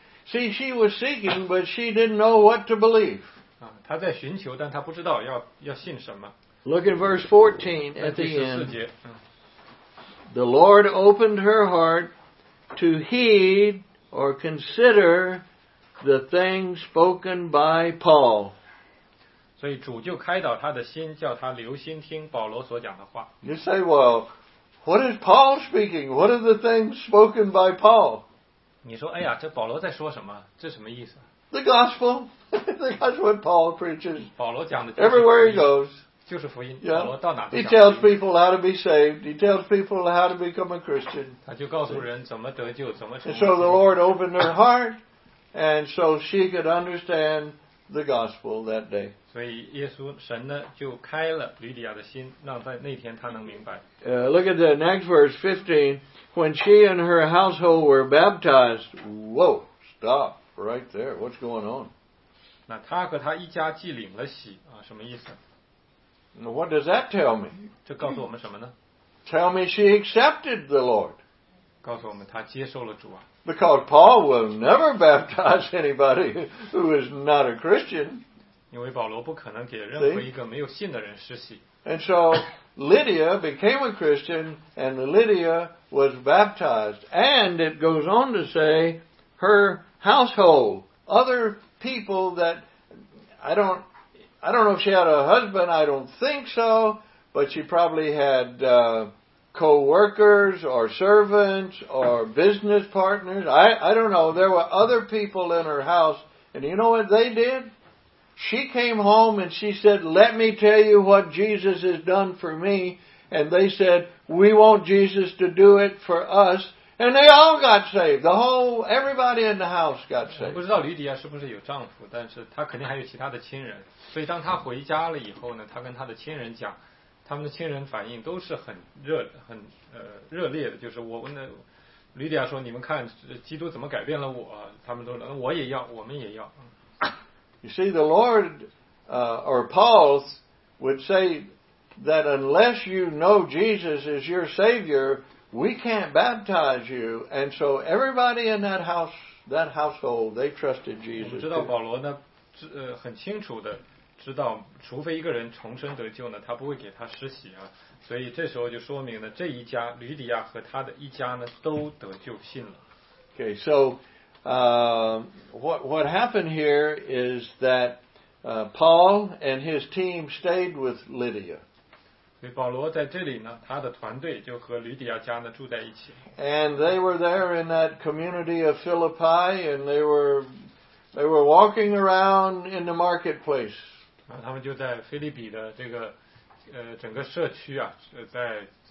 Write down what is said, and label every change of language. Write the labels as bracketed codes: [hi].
[en] See, she was seeking, but she didn't know what to believe. [zh] 她在寻求，但她不知道要信什么。 [en] Look at verse 14 at the end. The Lord opened her heart to heed or consider the things spoken by Paul. [zh] 所以主就开导她的心，叫她留心听保罗所讲的话。 [en] You say, well, What is Paul speaking? What are the things spoken by Paul? [zh] 你说，哎呀，这保罗在说什么？这什么意思？ [en] The gospel. That's what Paul preaches. [zh] 保罗讲的就是 [en] Everywhere he goes. [zh] 就是福音。 [en] Yeah. [zh] 保罗到哪都讲。 [en] He tells people how to be saved. He tells people how to become a Christian. [zh] 他就告诉人怎么得救，怎么成。 [en] And so the Lord opened her heart, and so she could understand the gospel that day. [zh] 所以耶稣神呢就开了吕底亚的心，让在那天他能明白。 [en] Look at the next verse, 15. When she and her household were baptized, whoa, stop right there. What's going on? [zh] 那他和他一家既领了洗啊，什么意思？ [en] What does that tell me? [zh] 这告诉我们什么呢？ [en] Tell me she accepted the Lord. [zh] 告诉我们他接受了主啊。 [en] Because Paul will never baptize anybody who is not a Christian. [zh] 因为保罗不可能给任何一个没有信的人施洗。 [en] And so Lydia became a Christian, and Lydia was baptized. And it goes on to say, her household, other people that, I don't know if she had a husband, I don't think so, but she probably had co-workers or servants or business partners. I don't know. There were other people in her house. And you know what they did? She came home and she said, let me tell you what Jesus has done for me. And they said, we want Jesus to do it for us. And they all got saved. Everybody in the house got saved. [zh] 不知道吕底亚是不是有丈夫，但是她肯定还有其他的亲人。所以当她回家了以后呢，她跟她的亲人讲，他们的亲人反应都是很热烈的，就是我问的吕底亚说，你们看基督怎么改变了我，他们都说我也要，我们也要。 [en] You see, the Lord, or Paul would say that unless you know Jesus as your Savior, we can't baptize you. And so everybody in that house, that household, they trusted Jesus. [zh] 我知道保罗呢，很清楚的知道，除非一个人重生得救呢，他不会给他施洗啊。所以这时候就说明了，这一家吕底亚和他的一家呢，都得救信了。 [en] Okay, so. What happened here is that Paul and his team stayed with Lydia. [zh] 所以保罗在这里呢，他的团队就和吕底亚家呢住在一起。 [en] And they were there in that community of Philippi, and they were walking around in the marketplace. [zh] 他们就在腓立比的这个整个社区啊，在。